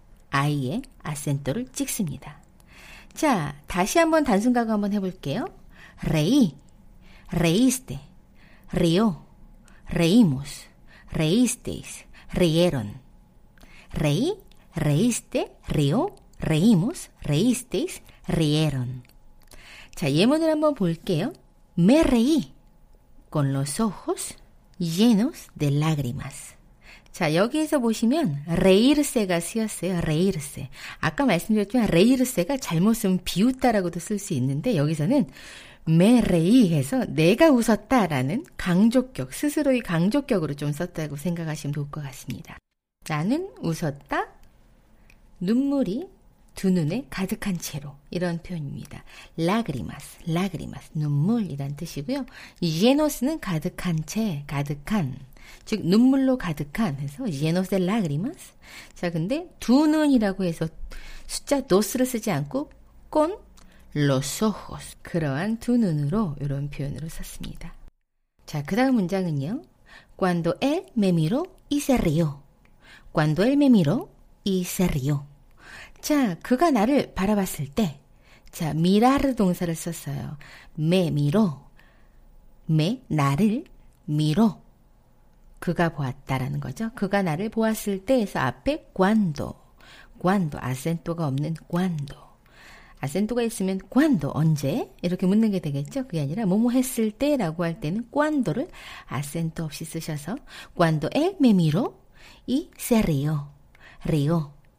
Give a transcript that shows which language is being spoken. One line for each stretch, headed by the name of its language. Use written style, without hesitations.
Korean: 아이의 아센토를 찍습니다. 자, 다시 한번 단순과거 한번 해볼게요.
Spanish: 레이, 레이스테, 리오, 레이무스, 레이스테이스, 리에론. 레이, 레이스테, 리오, 레이무스, 레이스테이스, 리에론.
Korean: 자, 예문을 한번 볼게요.
Spanish: Me reí con los ojos llenos de lágrimas.
Korean: 자, 여기에서 보시면 레이르세가 쓰였어요. 레이르세. 아까 말씀드렸지만 레이르세가 잘못 쓰면 비웃다라고도 쓸 수 있는데 여기서는 메레이 해서 내가 웃었다라는 강조격, 스스로의 강조격으로 좀 썼다고 생각하시면 좋을 것 같습니다. 나는 웃었다. 눈물이 두 눈에 가득한 채로 이런 표현입니다. 라그리마스, 라그리마스, 눈물이란 뜻이고요. 제노스는 가득한 채, 가득한. 즉 눈물로 가득한 해서
Spanish: llenos de lágrimas.
Korean: 자, 근데 두 눈이라고 해서 숫자 dos를 쓰지 않고
Spanish: con los ojos,
Korean: 그러한 두 눈으로 이런 표현으로 썼습니다. 자, 그 다음 문장은요.
Spanish: Cuando él me miró y se rió. Cuando él me miró y se rió.
Korean: 자, 그가 나를 바라봤을 때, 자, mirar 동사를 썼어요. me miró, me 나를 miró. 그가 보았다라는 거죠. 그가 나를 보았을 때에서 앞에 cuando, cuando, acento가 없는 cuando. acento가 있으면 cuando, 언제? 이렇게 묻는 게 되겠죠? 그게 아니라 뭐뭐 했을 때 라고 할 때는 cuando를 acento 없이 쓰셔서
Spanish: cuando él me miró y se rió, rió.